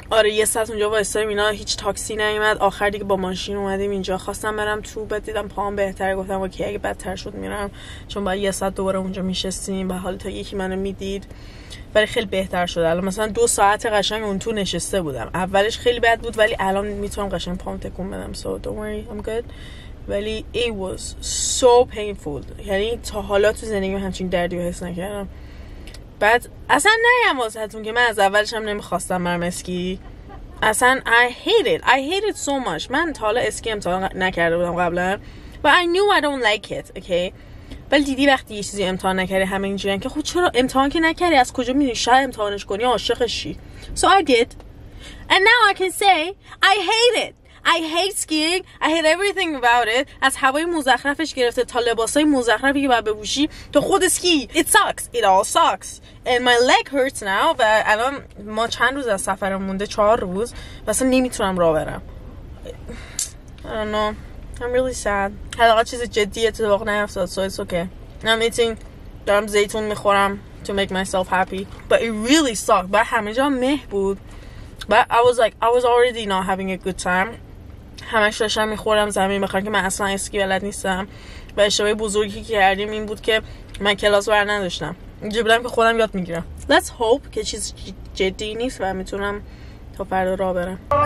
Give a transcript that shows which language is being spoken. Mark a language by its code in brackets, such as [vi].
[fa] آره یه ساعت اونجا وایسادم، اینا هیچ تاکسی نیومد. آخر دیگه با ماشین اومدیم اینجا. خواستم برم تو، بعد دیدم پام بهتر، گفتم اوکی اگه بدتر شد میرم، چون بعد یه ساعت دوباره اونجا میشستیم و حالا تا یکی منو میدید. ولی خیلی بهتر شد الان، مثلا 2 ساعت قشنگ اون تو نشسته بودم. اولش خیلی بد بود ولی الان میتونم قشنگ پام تکون بدم. [en] So don't worry I'm good. [fa] ولی [en] it was so painful. [fa] یعنی تا حالا تو زندگیم همچین دردی رو حس نکردم. بعد اصلا نیام واسهتون که من از اولش هم نمیخواستم برم اسکی. اصلا [en] I hate it so much. [fa] من تا حالا اسکی امتحان نکرده بودم قبلا و [en] I knew I don't like it. Okay. [fa] ولی دیدی وقتی یه چیزی امتحان نکردی همه اینجوری هم که خود چرا امتحان که نکردی، از کجا میدونی شاید امتحانش کنی عاشقشی. [en] So I did. And now I can say I hate it. I hate skiing. I hate everything about it. [fa] از هوای مزخرفش گرفته تا لباسای مزخرفی که باید بپوشی تا خود اسکی. [en] It sucks. It all sucks. And my leg hurts now. [fa] و الان ما چند روز از سفرم مونده، 4 روز، و اصلا نمیتونم راه برم. [en] I don't know. I'm really sad. [fa] حالا چیز جدی اتفاق نیفتاد. [en] So it's okay. I'm eating. [fa] دارم زیتون میخورم [en] to make myself happy. But it really sucked. [fa] بعد همه جا مه بود. [en] But I was already not having a good time. [fa] همش داشتم میخوردم زمین بخاطر که من اصلا اسکی بلد نیستم. و اشتباه بزرگی که کردیم این بود که من کلاس ور نداشتم. اینجوری بودم که خودم یاد میگیرم. [en] Let's hope [fa] که چیز جدی نیست و میتونم تا فردا راه برم.